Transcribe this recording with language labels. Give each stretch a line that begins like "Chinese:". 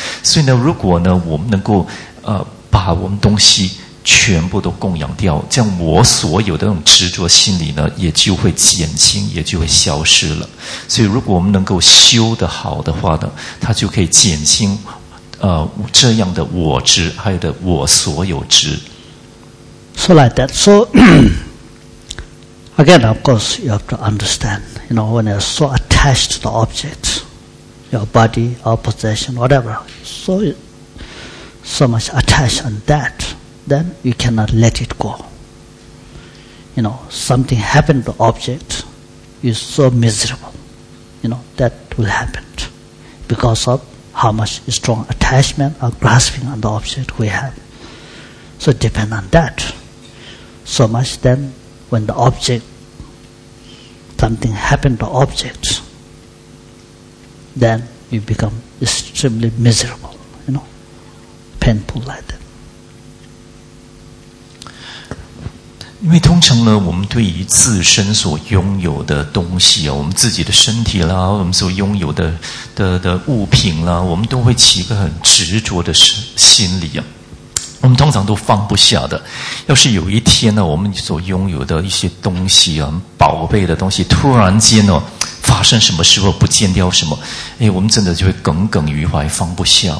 Chinese: 所以呢，如果呢，我们能够把我们东西全部都供养掉，这样我所有的那种执着心理呢，也就会减轻，也就会消失了。所以，如果我们能够修得好的话呢，它就可以减轻。这样的我执，还有的我所有执。
English: So like that. So again, of course, you have to understand. You know, when you're so attached to the object, your body, our possession, whatever, so much attached on that, then you cannot let it go. You know, something happened to the object, you're so miserable. You know, that will happen because of. How much strong attachment or grasping on the object we have. So depend on that. So much then when the object, something happened to the object, then you become extremely miserable, you know, painful like that.
Chinese: 因为通常呢，我们对于自身所拥有的东西啊，我们自己的身体啦，我们所拥有的物品啦，我们都会起一个很执着的心理啊。我们通常都放不下的。要是有一天呢，我们所拥有的一些东西啊，宝贝的东西，突然间呢，发生什么事或不见掉什么，哎，我们真的就会耿耿于怀，放不下。